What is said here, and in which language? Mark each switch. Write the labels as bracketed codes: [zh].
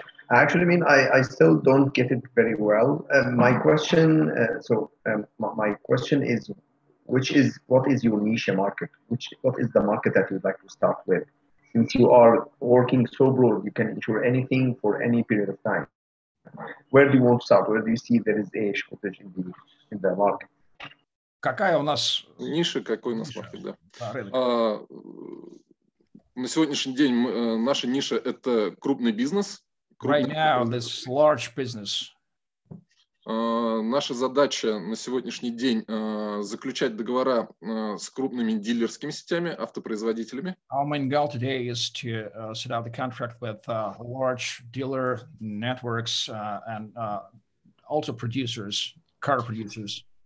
[en] Actually, I still don't get it very well. My question is, what is your niche market? What is the market that you'd like to start with? Since you are working so broad, you can insure anything for any period of time. Where do you want to start? Where do you see there is a shortage in the market? [ru] Какая у нас ниша, какой у нас маркет, да? На сегодняшний день наша ниша – это крупный бизнес. [en] Right now, this large business. [ru] Наша задача на сегодняшний день заключать договора с крупными дилерскими сетями, автопроизводителями. [en] Our main goal today is to set up the contract with large dealer networks and auto producers, car producers.